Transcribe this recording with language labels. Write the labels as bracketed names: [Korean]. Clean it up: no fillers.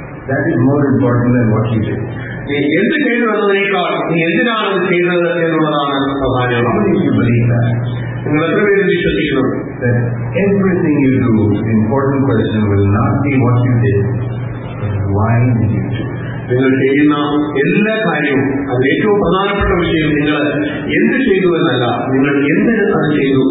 [English] That is more important than what you did. [Malayalam] നീ എന്ത് ചെയ്തു എന്നതിനേക്കാൾ നീ എന്തിനാണ് അത് ചെയ്തത് എന്നുള്ളതാണ് പ്രധാനമാണ്. നിങ്ങൾ എത്ര പേര് വിശ്വസിക്കണം? [English] Everything you do, important question will not be what you did, why did you do it? [Malayalam] നിങ്ങൾ ചെയ്യുന്ന എല്ലാ കാര്യവും അത് ഏറ്റവും പ്രധാനപ്പെട്ട വിഷയം നിങ്ങൾ എന്ത് ചെയ്തു എന്നല്ല, നിങ്ങൾ എന്തിന് അത് ചെയ്തു